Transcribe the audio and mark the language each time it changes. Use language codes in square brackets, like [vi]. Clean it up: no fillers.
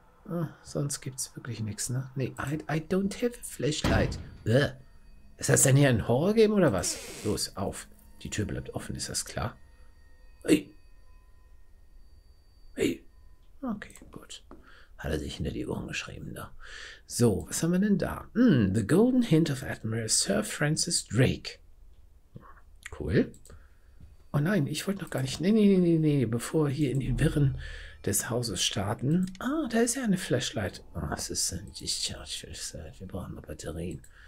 [de] Oh, sonst gibt es wirklich nichts, ne? Nee, [en] I don't have a flashlight. [de] Ist das denn hier ein Horrorgame oder was? Los, auf. Die Tür bleibt offen, ist das klar? Hey. Hey. Okay, gut. Hat er sich hinter die Ohren geschrieben, da. So, was haben wir denn da? [en] The Golden Hint of Admiral Sir Francis Drake. [de] Cool. Oh nein, ich wollte noch gar nicht. Nee, nee, nee, nee, bevor wir hier in die Wirren des Hauses starten. Ah, da ist ja eine Flashlight. Was oh, ist ein Discharge. Wir brauchen noch Batterien.